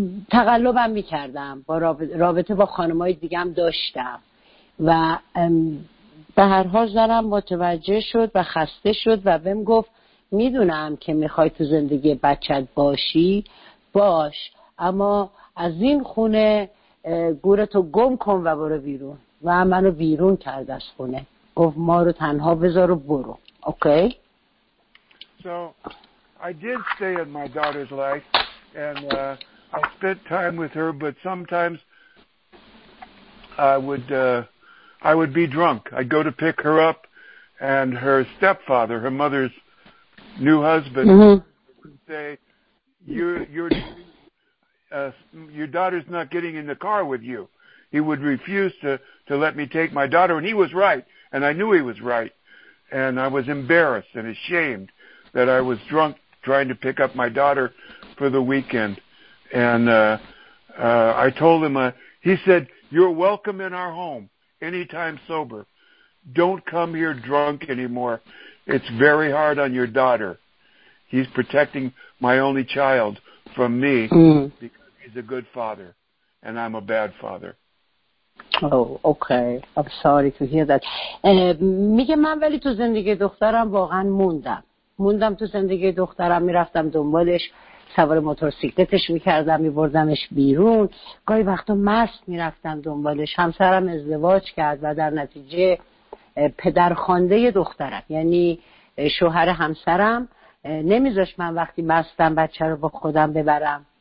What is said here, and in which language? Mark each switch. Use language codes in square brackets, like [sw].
[fa] تقلبم میکردم، با رابطه با خانمهای دیگه هم داشتم و به هر حال زنم متوجه شد و خسته شد و بهم گفت میدونم که میخوای تو زندگی بچت باشی، باش، اما از این خونه گورتو گم کن و برو بیرون، و منو بیرون کرد از خونه، گفت ما رو تنها بذار و برو. اوکی. [en] So I did stay in my daughter's life and I spent time with her, but sometimes I would be drunk. I'd go to pick her up, and her stepfather, her mother's new husband, would say, your daughter's not getting in the car with you. He would refuse to let me take my daughter, and he was right, and I knew he was right. And I was embarrassed and ashamed that I was drunk trying to pick up my daughter for the weekend. And I told him, he said, You're welcome in our home anytime sober. Don't come here drunk anymore. It's very hard on your daughter. He's protecting my only child from me because he's a good father, and I'm a bad father. Oh, okay. I'm sorry to hear that. [fa] میگه من ولی تو زندگی دخترم واقعا موندم. موندم تو زندگی دخترم، میرفتم دنبالش، سوار موتورسیکلتش میکردم، میبردمش بیرون. گاهی وقتا مست میرفتم دنبالش. همسرم ازدواج کرد و در نتیجه پدرخوانده دخترم، یعنی شوهر همسرم، نمیذاش من وقتی مستم بچه رو با خودم ببرم.